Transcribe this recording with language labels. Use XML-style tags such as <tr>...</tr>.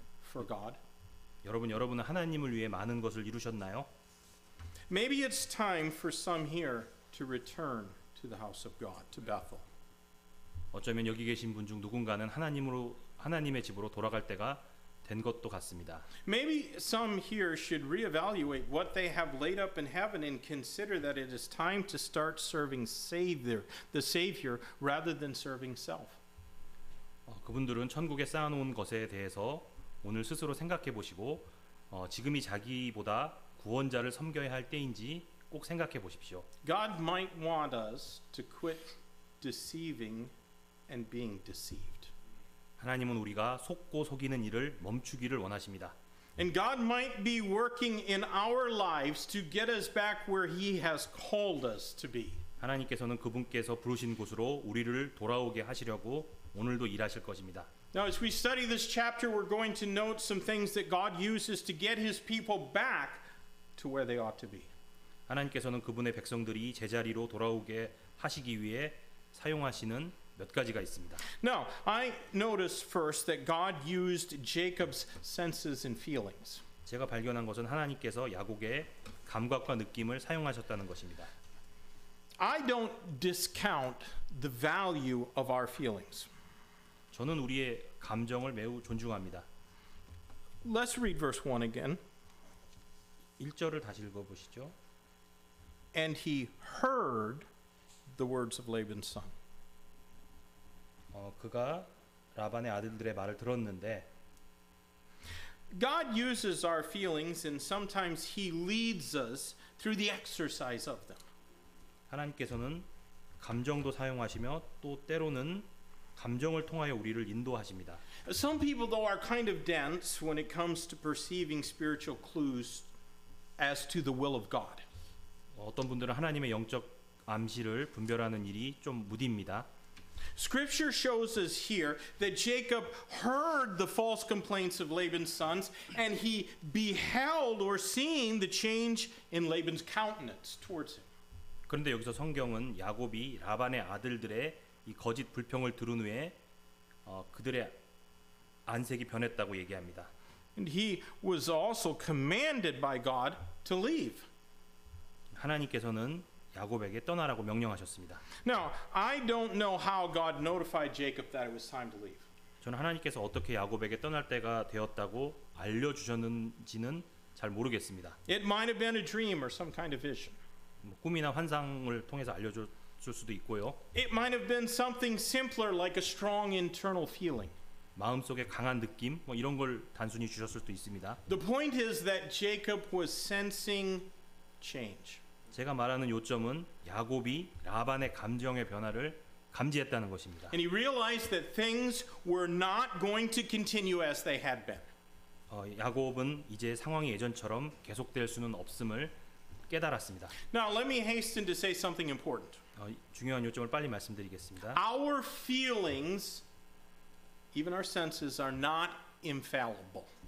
<en>for God?</en> <ko>여러분, 여러분은 하나님을 위해 많은 것을 이루셨나요?</ko> <en>Maybe it's time for some here to return to the house of God, to Bethel.</en> <ko>어쩌면 여기 계신 분 중 누군가는 하나님으로 하나님의 집으로 돌아갈 때가 된 것도 같습니다.</ko> <en>Maybe some here should reevaluate what they have laid up in heaven and consider that it is time to start serving Savior, the Savior, rather than serving self.</en> <ko>그분들은 천국에 쌓아놓은 것에 대해서 오늘 스스로 생각해 보시고 지금이 자기보다 구원자를 섬겨야 할 때인지 꼭 생각해 보십시오.</ko> <en>God might want us to quit deceiving and being deceived.</en> <ko>하나님은 우리가 속고 속이는 일을 멈추기를 원하십니다.</ko> <en>And God might be working in our lives to get us back where He has called us to be.</en> <ko>하나님께서는 그분께서 부르신 곳으로 우리를 돌아오게 하시려고 오늘도 일하실 것입니다.</ko> <en>Now, as we study this chapter, we're going to note some things that God uses to get His people back to where they ought to be.</en> <ko>하나님께서는 그분의 백성들이 제자리로 돌아오게 하시기 위해 사용하시는 몇 가지가 있습니다.</ko> <en>Now, I notice first that God used Jacob's senses and feelings.</en> <ko>제가 발견한 것은 하나님께서 야곱의 감각과 느낌을 사용하셨다는 것입니다.</ko> <en>I don't discount the value of our feelings.</en> <ko>저는 우리의 감정을 매우 존중합니다.</ko> <en>Let's read verse 1 again.</en> <ko>1절을 다시 읽어보시죠.</ko> <en>And he heard the words of Laban's son.</en> <ko>그가 라반의 아들들의 말을 들었는데</ko> <en>God uses our feelings and sometimes he leads us through the exercise of them.</en> <ko>하나님께서는 감정도 사용하시며 또 때로는 감정을 통하여 우리를 인도하십니다.</ko> <en>Some people though are kind of dense when it comes to perceiving spiritual clues as to the will of God.</en> <ko>어떤 분들은 하나님의 영적 암시를 분별하는 일이 좀 무딥니다.</ko> <en>Scripture shows us here that Jacob heard the false complaints of Laban's sons and he beheld or seen the change in Laban's countenance towards him.</en> <ko>그런데 여기서 성경은 야곱이 라반의 아들들의 이 거짓 불평을 들은 후에 그들의 안색이 변했다고 얘기합니다.</ko> <en>And he was also commanded by God to leave.</en> <ko>하나님께서는 야곱에게 떠나라고 명령하셨습니다.</ko> <en>Now, I don't know how God notified Jacob that it was time to leave.</en> <ko>저는 하나님께서 어떻게 야곱에게 떠날 때가 되었다고 알려 주셨는지는 잘 모르겠습니다.</ko> <en>It might have been a dream or some kind of vision.</en> <ko>꿈이나 환상을 통해서 알려줄 수도 있고요.</ko> <en>It might have been something simpler like a strong internal feeling.</en> <ko>마음속에 강한 느낌 뭐 이런 걸 단순히 주셨을 수도 있습니다.</ko> <en>The point is that Jacob was sensing change.</en> <ko>제가 말하는 요점은 야곱이 라반의 감정의 변화를 감지했다는 것입니다.</ko> <en>And he realized that things were not going to continue as they had been.</en> <ko>야곱은 이제 상황이 예전처럼 계속될 수는 없음을 깨달았습니다.</ko> <en>Now let me hasten to say something important.</en> <ko>중요한 요점을 빨리 말씀드리겠습니다.</ko> <en>Our feelings, even our senses, are not infallible.</en>